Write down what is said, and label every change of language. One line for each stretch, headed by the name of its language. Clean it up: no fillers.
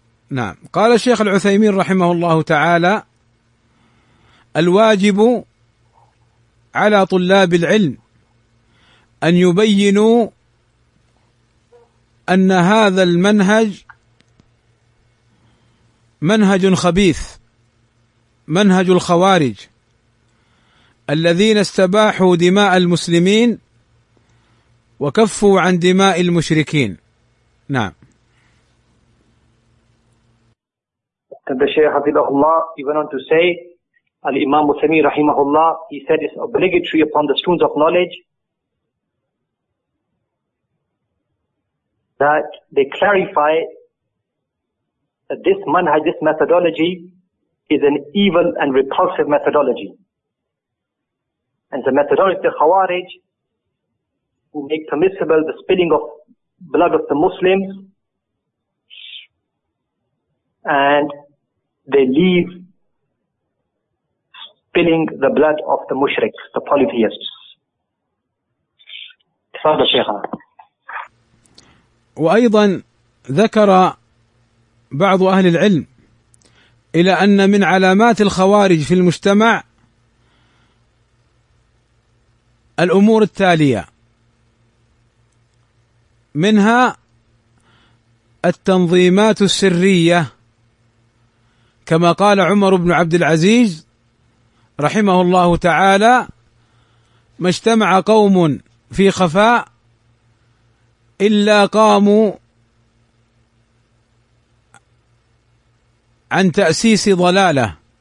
Arabic: نعم، قال الشيخ العثيمين رحمه الله تعالى: الواجب على طلاب العلم أن يبينوا أن هذا المنهج منهج خبيث، منهج الخوارج الذين استباحوا دماء المسلمين وكفوا عن دماء المشركين. نعم.
English: The Shaykh Hafidhullah, he went on to say, Al-Imam Uthaymeen Rahimahullah, he said it's obligatory upon the students of knowledge that they clarify that this manhaj, this methodology is an evil and repulsive methodology. And the methodology of the Khawarij, who make permissible the spilling of blood of the Muslims, and they leave spilling the blood of the mushriks, the polytheists.
Arabic: Tafadhal Shaykh. وأيضا ذكر بعض أهل العلم إلى أن من علامات الخوارج في المجتمع الأمور التالية: منها التنظيمات السرية، كما قال عمر بن عبد العزيز رحمه الله تعالى: ما اجتمع قوم في خفاء إلا قاموا عن تأسيس ضلالة.